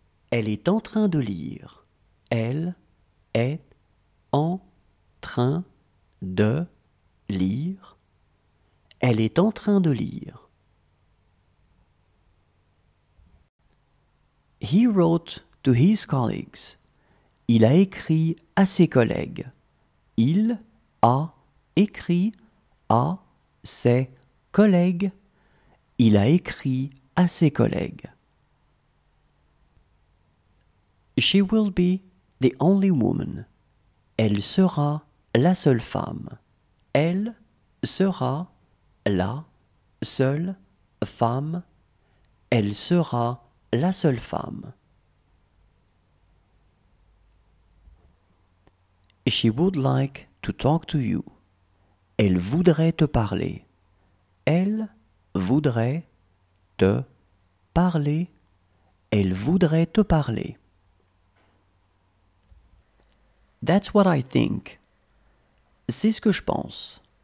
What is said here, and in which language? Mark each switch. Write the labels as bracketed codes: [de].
[fr] Elle est en train de lire. Elle est en train de lire. Elle est en train de lire. [en] He wrote to his colleagues. [fr] Il a écrit à ses collègues. Il a écrit à ses collègues. Il a écrit à ses collègues. [en] She will be the only woman. [fr] Elle sera la seule femme. Elle sera la seule femme. Elle sera la seule femme. [en] She would like to talk to you. [fr] Elle voudrait te parler. Elle voudrait te parler. Elle voudrait te parler. [en] That's what I think. [fr] C'est ce que je pense.